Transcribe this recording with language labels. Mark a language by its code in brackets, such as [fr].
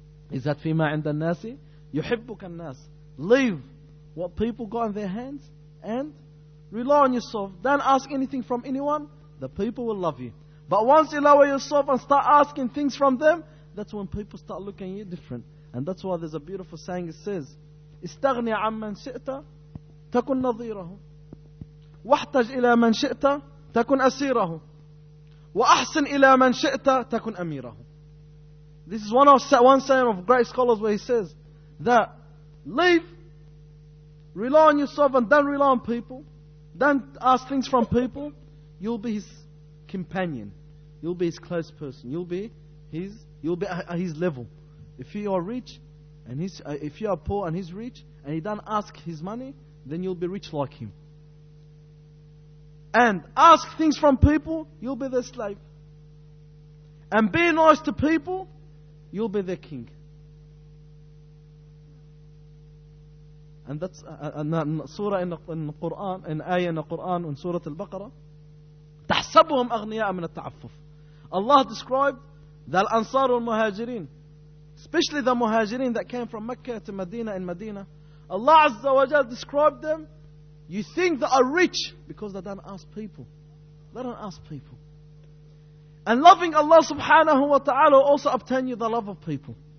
[en] Is that [ar] fima inda nasi? Yuhibbuka nas. [en] Leave what people got in their hands and rely on yourself. Don't ask anything from anyone. The people will love you. But once you lower yourself and start asking things from them, that's when people start looking at you different. And that's why there's a beautiful saying. It says, [ar] استغني عن من شئت تكن نظيره واحتج إلى من شئت تكن أسيره وأحسن إلى من شئت تكن أميره. [en] This is one saying of great scholars where he says that leave, rely on yourself and don't rely on people. Don't ask things from people. You'll be his companion. You'll be his close person. You'll be at his level. If you are rich, and if you are poor and he's rich, and he don't ask his money, then you'll be rich like him. And ask things from people, you'll be their slave. And be nice to people, you'll be their king. And that's surah in the Quran, an ayah in the Quran, in Surah Al-Baqarah. [ar] تحسبهم أغنياء من التعفف. [en] Allah described that Ansar and Muhajirin, especially the Muhajirin that came from Mecca to Medina in Medina, Allah Azza wa Jal described them, You think that are rich because they don't ask people. They don't ask people. And loving Allah subhanahu wa ta'ala will also obtain you the love of people.